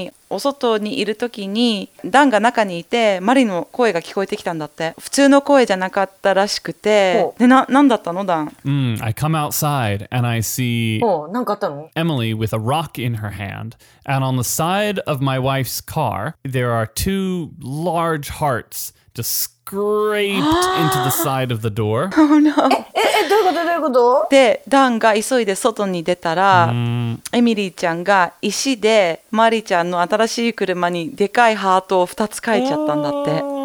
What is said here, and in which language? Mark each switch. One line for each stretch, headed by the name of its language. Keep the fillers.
Japanese: お外にいる時にダンが中にいてマリの声が聞こえてきたんだって普通の声じゃなかったらしくてでな何だったのダン
English: うん、I come outside and I see お
Japanese: なかあったの
English: Emily with a rock in her hand and on the side of my wife's car there are two large hearts just scraped into the side of the door
Japanese: えどういうことどういうことでダンが急いで外に出たらエミリーちゃんが石でマリちゃんの新しい車にでかいハートを2つ描いちゃったんだって